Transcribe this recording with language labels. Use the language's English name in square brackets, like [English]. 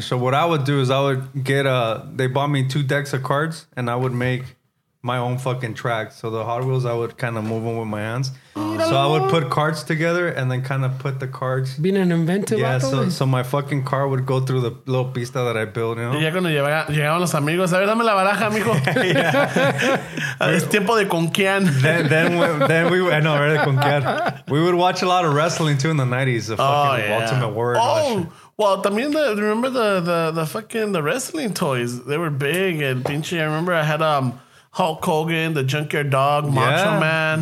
[English] So what I would do is I would get they bought me two decks of cards, and I would make my own fucking track. So the Hot Wheels, I would kind of move them with my hands. So I would put cards together and then kind of put the cards... Being an inventive. Yeah, so my fucking car would go through the little pista that I built, you know? [Spanish] Y ya cuando llegaban los amigos, a ver, dame la baraja, amigo. Yeah. Es tiempo de conquear. [English] We would watch a lot of wrestling, too, in the 90s. The fucking Ultimate Warrior. Well, también remember the fucking the wrestling toys? They were big and pinche. I remember I had... Hulk Hogan, the Junkyard Dog, Macho Man.